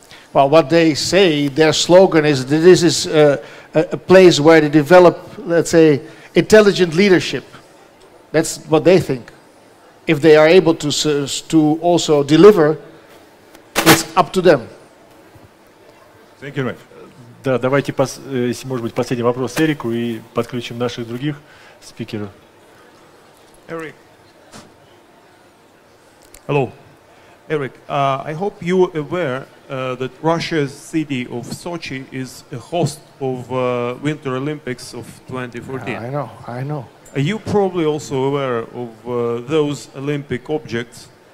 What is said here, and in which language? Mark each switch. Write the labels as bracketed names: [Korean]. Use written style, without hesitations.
[English] Well, what they say, their slogan is that this is a place where they develop, let's say, intelligent leadership. That's what they think. If they are able to also deliver, it's up to them. Thank you very much. [Russian] Да, давайте, если может быть, последний вопрос Эрику и подключим наших других спикеров. Эрик. [English] Hello. Eric, I hope you are aware that Russia's city of Sochi is a host of Winter Olympics of 2014. Yeah, I know. Are you probably also aware of those Olympic objects?